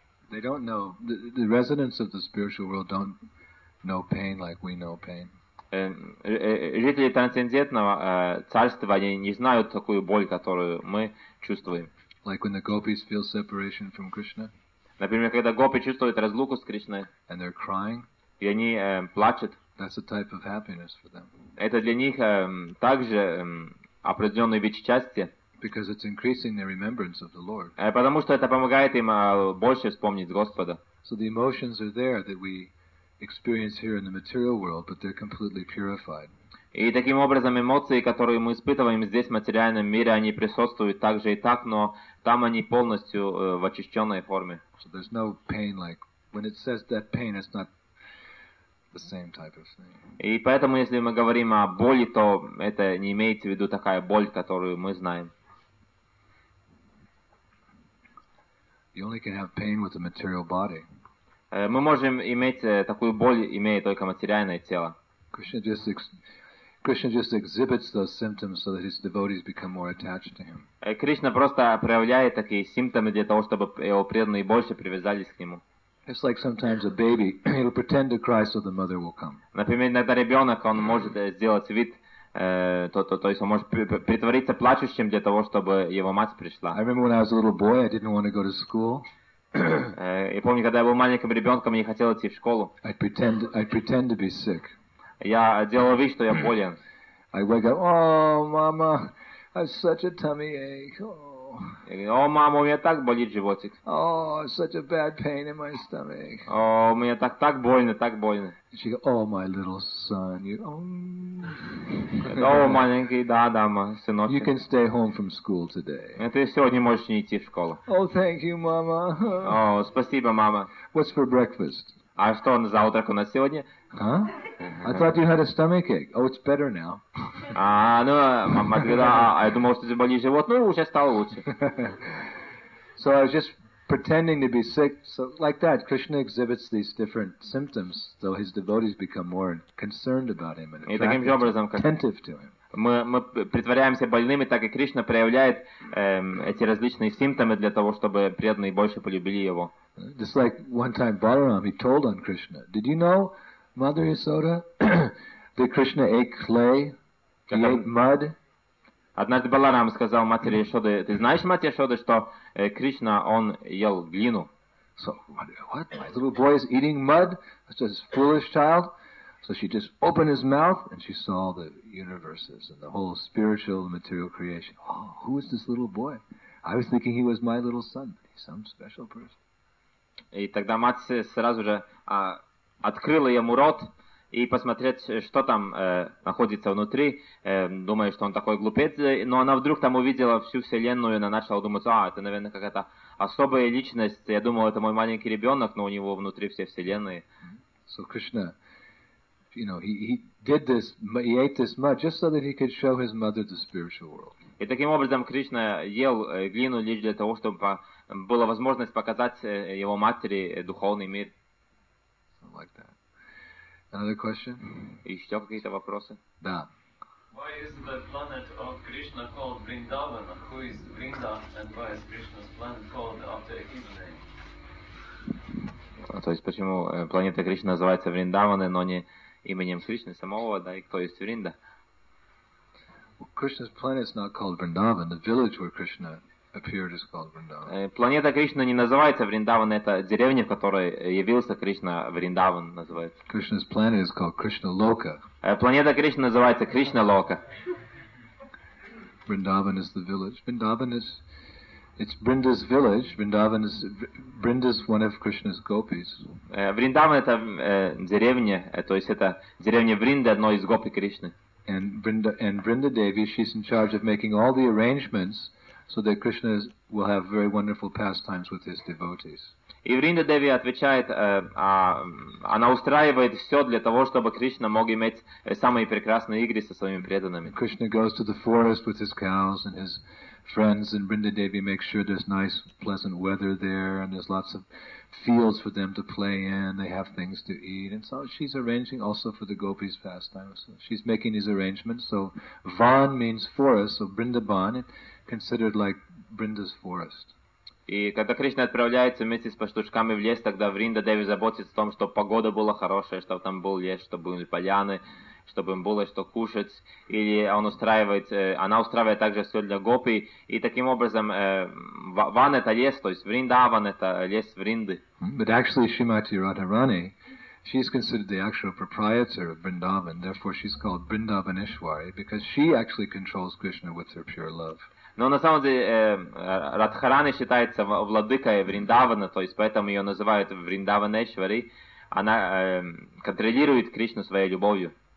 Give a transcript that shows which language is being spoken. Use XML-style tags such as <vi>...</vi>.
<en>They don't know, the residents of the spiritual world don't know pain like we know pain.</en> <ru>Жители трансцендентного царства, они не знают такую боль, которую мы чувствуем.</ru> <en>Like when the gopis feel separation from Krishna.</en> <ru>Например, когда гопи чувствуют разлуку с Кришной.</ru> <en>And they're crying.</en> <ru>И они плачут.</ru> <en>That's a type of happiness for them.</en> <ru>Это для них также определенный вид счастья.</ru> <en>Because it's increasing their remembrance of the Lord.</en> <ru>Потому что это помогает им больше вспомнить Господа.</ru> <en>So the emotions are there that we experience here in the material world, but they're completely purified.</en> <ru>И таким образом эмоции, которые мы испытываем здесь в материальном мире, они присутствуют также и так, но там они полностью в очищенной форме.</ru> <en>So there's no pain like when it says that pain, it's not the same type of thing.</en> <ru>И поэтому, если мы говорим о боли, то это не имеется в виду такая боль, которую мы знаем.</ru> <en>You only can have pain with a material body.</en> <ru>Мы можем иметь такую боль, имея только материальное тело.</ru> <en>Krishna just exhibits those symptoms so that his devotees become more attached to him.</en> <ru>Кришна просто проявляет такие симптомы для того, чтобы его преданные больше привязались к нему.</ru> <en>It's like sometimes a baby, he'll pretend to cry so the mother will come.</en> <ru>Например, иногда ребенок, он может сделать вид, то есть он может притвориться плачущим для того, чтобы его мать пришла.</ru> <en>I remember when I was a little boy, I didn't want to go to school.</en> <ru>Я помню, когда я был маленьким ребенком, я не хотел идти в школу.</ru> <en>I'd pretend to be sick.</en> <ru>Я делал вид, что я болен.</ru> <en>I wake up, oh, mama, I have such a tummy ache. Oh.</en> <ru>Я говорю, о, мама, у меня так болит животик.</ru> <en>Oh, such a bad pain in my stomach.</en> <ru>О, у меня так, так больно, так больно.</ru> <en>She goes, oh, my little son, you,</en> <ru>oh. О, маленький, да, дама, сыночек.</ru> <en>You can stay home from school today.</en> <ru>Ты сегодня можешь не идти в школу.</ru> <en>Oh, thank you, mama.</en> <ru>О, спасибо, мама.</ru> <en>What's for breakfast?</en> <ru>А что он за утро у нас сегодня?</ru> <en>Huh? I thought you had a stomach ache. Oh, it's better now. Ah, no,</en> <ru>мама говорила, а я думал, что заболел живот. Ну, уже стало лучше.</ru> <en>So I was just pretending to be sick. So like that, Krishna exhibits these different symptoms, so his devotees become more concerned about him and attentive to him.</en> <ru>Мы притворяемся больными, так и Кришна проявляет эти различные симптомы для того, чтобы преданные больше полюбили его.</ru> <en>Just like one time Balaram, he told on Krishna. Did you know, Mother Yasoda, that Krishna ate clay, he ate mud?</en> <ru>Однажды Баларам сказал матери Яшоды, ты знаешь, мать Яшоды, что Кришна, он ел глину?</ru> <en>So, what? My little boy is eating mud? That's a foolish child. So she just opened his mouth and she saw the universes and the whole spiritual and material creation. Oh, who is this little boy? I was thinking he was my little son, but he's some special person.</en> <ru>И тогда мать сразу же открыла ему рот и посмотреть, что там находится внутри, думая, что он такой глупец, но она вдруг там увидела всю вселенную, и она начала думать, а, это, наверное, какая-то особая личность, я думал, это мой маленький ребенок, но у него внутри все вселенные.</ru> <en>So Krishna, you know, he did this, he ate this mud just so that he could show his mother the spiritual world.</en> <ru>И таким образом Кришна ел глину лишь для того, чтобы была возможность показать его матери духовный мир.</ru> <en>Like that. Another question?</en> <ru>Еще какие-то вопросы? Да.</ru> <en>Why is the planet of Krishna called Vrindavana? Who is Vrinda and why is Krishna's planet called after his name?</en> <ru>То есть почему планета Кришна называется Вриндавана, но не именем Кришны самого, да, и кто есть Вринда?</ru> <en>Krishna's planet is not called Vrindavan. The village where Krishna appeared is called Vrindavan.</en> <ru>Планета Кришна не называется Вриндаван, это деревня, в которой явился Кришна, Вриндаван называется.</ru> <en>Krishna's planet is called Krishna Loka.</en> <ru>Планета Кришна называется Кришна Лока.</ru> <en>Vrindavan is the village. Vrindavan is, it's Brinda's village. Vrindavan is, Brinda's one of Krishna's gopis.</en> <ru>Вриндаван это деревня, то есть это деревня Вринда, одно из гопи Кришны.</ru> <en>And Vrinda Devi, she's in charge of making all the arrangements so that Krishna will have very wonderful pastimes with his devotees.</en> <ru>И Vrinda Devi отвечает, она устраивает все для того, чтобы Кришна мог иметь самые прекрасные игры со своими преданными.</ru> <en>Krishna goes to the forest with his cows and his friends, and Vrinda Devi makes sure there's nice, pleasant weather there, and there's lots of fields for them to play in, they have things to eat, and so she's arranging also for the gopis' pastimes. So she's making these arrangements, so van means forest, so Vrindavan is considered like Brinda's forest.</en> <ru>И когда Кришна отправляется вместе с пастушками в лес, тогда Vrinda Devi заботится о том, чтобы погода была хорошая, чтобы там был лес, чтобы были поляны, чтобы им было что кушать, или он устраивает, она устраивает также все для гопи, и таким образом ван это лес, то есть Вриндаван это лес Вринды.</ru> <en>But actually Shrimati Radharani, she is considered the actual proprietor of Vrindavan, therefore she's called Vrindavanishwari, because she actually controls Krishna with her pure love.</en> <ru>Но на самом деле Радхарани считается владыкой Вриндавана, то есть поэтому ее называют Вриндаванешвари, она контролирует Кришну своей любовью.</ru>